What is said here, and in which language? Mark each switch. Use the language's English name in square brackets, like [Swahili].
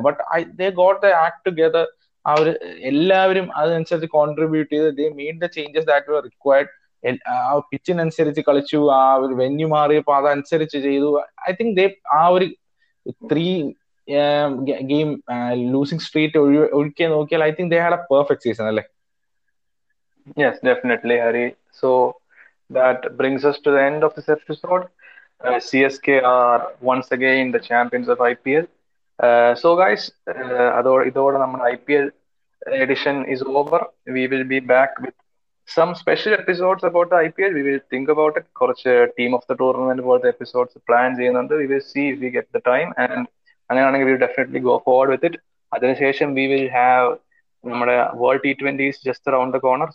[English] But I they got the act together. [Malayalam] അവർ എല്ലാവരും അതിനനുസരിച്ച് [English] Contribute ചെയ്ത് they made the changes that were required. [Malayalam] ആ പിച്ചിനനുസരിച്ച് കളിച്ചു, ആ ഒരു വെന്യൂ മാറിയപ്പോൾ അതനുസരിച്ച് ചെയ്തു. [English] I think they ആ ഒരു 3 game losing streak ഒഴുക്കിയെ [Malayalam] നോക്കിയാൽ [English] I think they had a perfect season അല്ലേ. Yes, definitely, Harry. So, that brings us to the end of this episode. CSK are once again the champions of IPL. So, guys, [Malayalam] ഇതോടെ നമ്മുടെ [English] IPL edition is over. We will be back with some special episodes about I P L. We will think about it. [Malayalam] കുറച്ച് [English] team of the tournament പോലത്തെ episodes [Malayalam] plan ചെയ്യുന്നുണ്ട്. [English] We will see if we get the time. And [Malayalam] അങ്ങനെയാണെങ്കിൽ [English] We definitely go forward with it. [Malayalam] അതിനുശേഷം [English] We will have നമ്മുടെ world T20 just around the corner.